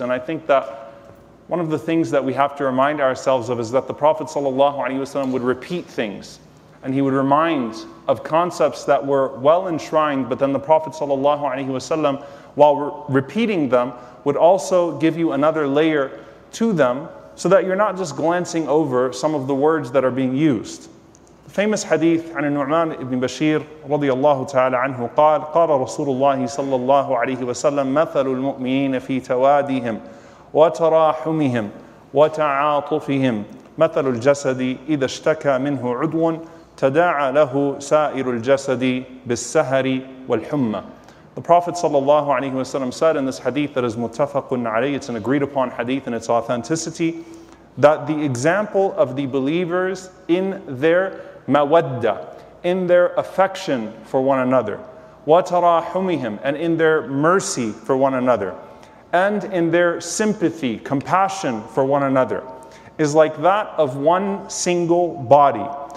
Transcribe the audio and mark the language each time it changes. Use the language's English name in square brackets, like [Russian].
[English] And I think that one of the things that we have to remind ourselves of is that the Prophet ﷺ would repeat things, and he would remind of concepts that were well enshrined, but then the Prophet ﷺ, while repeating them, would also give you another layer to them so that you're not just glancing over some of the words that are being used. The famous hadith [Arabic] عن النعمان ابن بشير رضي الله تعالى عنه قال قال رسول الله صلى الله عليه وسلم مثل المؤمنين في تواديهم وتراحمهم وتعاطفهم مثل الجسد إذا اشتكى منه عضو تداعى له سائر الجسد بالسهر والحمى. [English] The Prophet sallallahu alaihi wasallam said in this hadith that is muttafaqun alayhi, it's an agreed upon hadith in its authenticity, that the example of the believers in their mawadda, in their affection for one another, wa tarahumihim, and in their mercy for one another, and in their sympathy, compassion for one another, is like that of one single body.